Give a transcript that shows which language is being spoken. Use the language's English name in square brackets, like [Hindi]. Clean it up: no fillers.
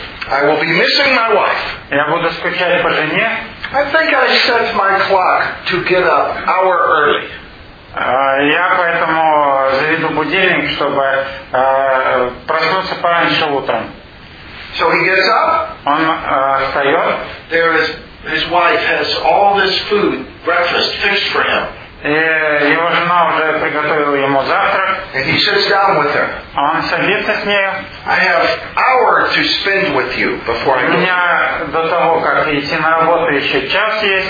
[English] I will be missing my wife. I think I set my clock to get up an hour early. [Russian] Я поэтому заведу будильник, чтобы проснуться пораньше утром. [English] So he gets up. [Russian] Он встает. [English] There is his wife has all this food, breakfast fixed for him. [Russian] И его жена уже приготовила ему завтрак. [English] And he sits down with her. [Russian] Он садится с нею. [English] I have hour to spend with you before I go. [Russian] У меня до того, как идти на работу, еще час есть.